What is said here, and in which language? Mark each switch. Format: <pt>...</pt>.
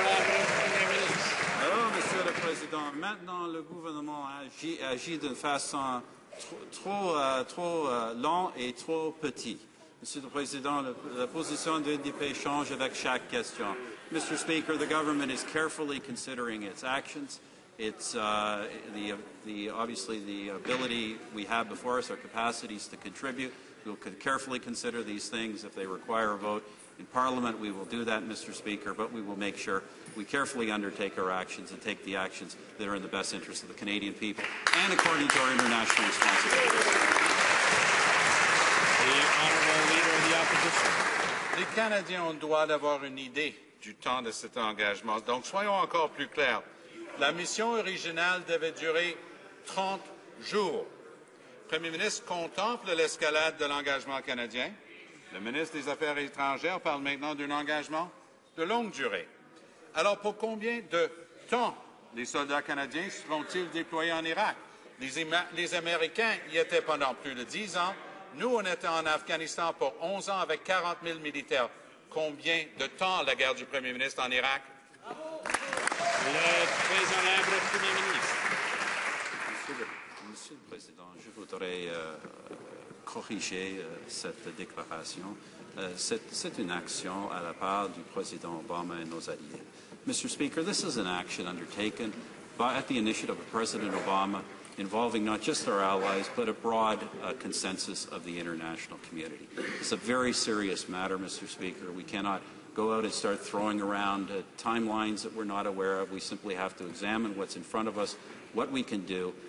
<fr>Alors, Monsieur le Président, maintenant le gouvernement agit d'une façon trop long et trop petit. Monsieur le Président, la position du NDP change avec chaque question.</fr> <en>Mr. Speaker, the government is carefully considering its actions. It's the ability we have before us, our capacities to contribute. We'll carefully consider these things. If they require a vote in Parliament, we will do that, Mr. Speaker, but we will make sure we carefully undertake our actions and take the actions that are in the best interest of the Canadian people and according to our international responsibilities. The Honourable Leader of the Opposition.</en> <fr>Les Canadiens ont droit d'avoir une idée du temps de cet engagement. Donc, soyons encore plus clairs. La mission originale devait durer 30 jours. Le Premier ministre contemple l'escalade de l'engagement canadien. Le ministre des Affaires étrangères parle maintenant d'un engagement de longue durée. Alors, pour combien de temps les soldats canadiens seront-ils déployés en Irak? Les Américains y étaient pendant plus de 10 ans. Nous, on était en Afghanistan pour 11 ans avec 40 000 militaires. Combien de temps la guerre du Premier ministre en Irak? Le très honorable Premier ministre. Monsieur le Président, je voudrais corriger cette déclaration. C'est une action à la part du Président Obama et nos alliés.</fr> <en>Mr. Speaker, this is an action undertaken by, at the initiative of President Obama, involving not just our allies, but a broad consensus of the international community. It's a very serious matter, Mr. Speaker. We cannot go out and start throwing around timelines that we're not aware of. We simply have to examine what's in front of us, what we can do.</en>